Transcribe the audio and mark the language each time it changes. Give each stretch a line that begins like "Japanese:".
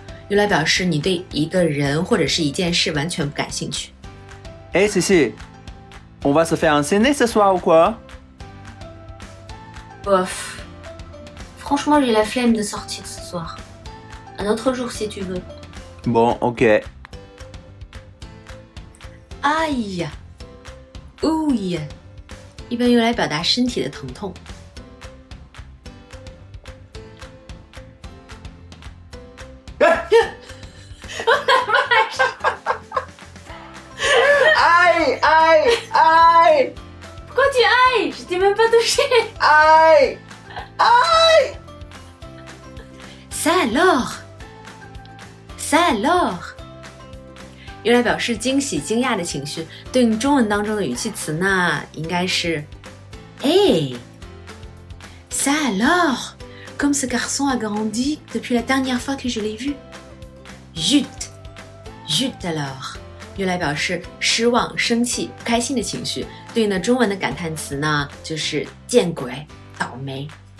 Chinese: 用来表示你对一个人或者是一件事完全不感兴趣。
French: Hey, Cici! On va se faire un ciné ce soir ou quoi? Bof. Franchement, j'ai la flemme de sortir ce soir. Un autre jour, si tu veux. Bon, ok. Aïe. Ouïe.
Chinese: 一般用来表达身体的疼痛。哎呀！哎哎哎！
French: Pourquoi tu ailles? Je t'ai même pas touché! Aïe! Aïe! Ça alors! Ça alors!
Chinese: 用来表示惊喜、惊讶的情绪，对应中文当中的语气词呢，应该是 Hey!
French: Ça alors! Comme ce garçon a grandi depuis la dernière fois que je l'ai vu! Jut! Jut alors!
Chinese: 用来表示失望、生气、不开心的情绪，对应的中文的感叹词呢，就是“见鬼，倒霉”。